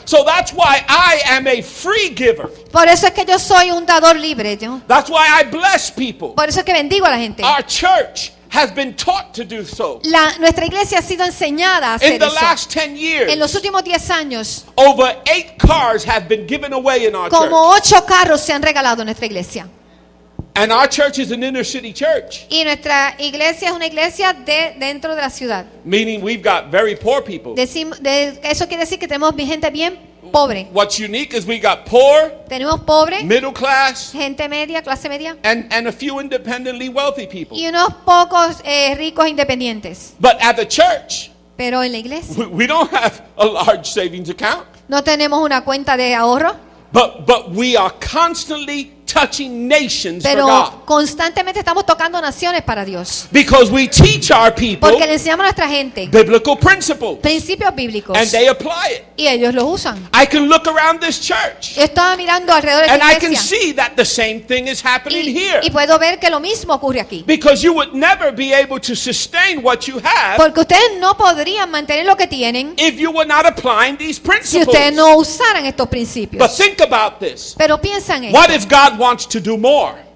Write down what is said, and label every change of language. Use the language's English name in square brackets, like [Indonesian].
[English] So that's why I am a free giver. [Spanish] Por eso es que yo soy un dador libre, ¿no? [English] That's why I bless people. [Spanish] Por eso es que bendigo a la gente. [English] Our church has been taught to do so. [Spanish] La nuestra iglesia ha sido enseñada a hacer [English] eso. In the [Spanish] eso. [English] Last 10 years. [Spanish] En los últimos 10 años. [English] Over 8 cars have been given away in our church. [Spanish] Como 8 carros se han regalado en nuestra iglesia. [English] And our church is an inner city church. [Spanish] Y nuestra iglesia es una iglesia de dentro de la ciudad. [English] Meaning we've got very poor people. [Spanish] Eso quiere decir que tenemos gente bien pobre. [English] What's unique is we got poor. [Spanish] Tenemos pobre. [English] Middle class. [Spanish] Gente media, clase media. [English] And a few independently wealthy people. [Spanish] Y unos pocos ricos independientes. [English] But at the church. [Spanish] Pero en la iglesia. [English] We don't have a large savings account. [Spanish] No tenemos una cuenta de ahorro. [English] But we are constantly touching nations [Spanish] pero [English] for God. [Spanish] Pero constantemente estamos tocando naciones para Dios. [English] Because we teach our people. [Spanish] Porque le enseñamos a nuestra gente. [English] Biblical principles. [Spanish] Principios bíblicos. [English] And they apply it. [Spanish] Y ellos los usan. [English] I can look around this church. [Spanish] Estaba mirando alrededor de esta iglesia. [English] And I can see that the same thing is happening here. [Spanish] Y puedo ver que lo mismo ocurre aquí. [English] Because you would never be able to sustain what you have. [Spanish] Porque ustedes no podrían mantener lo que tienen. [English] If you were not applying these principles. [Spanish] Si ustedes no usaran estos principios. [English] But think about this. [Spanish] Pero piensan esto. [English] What if God wants to do more?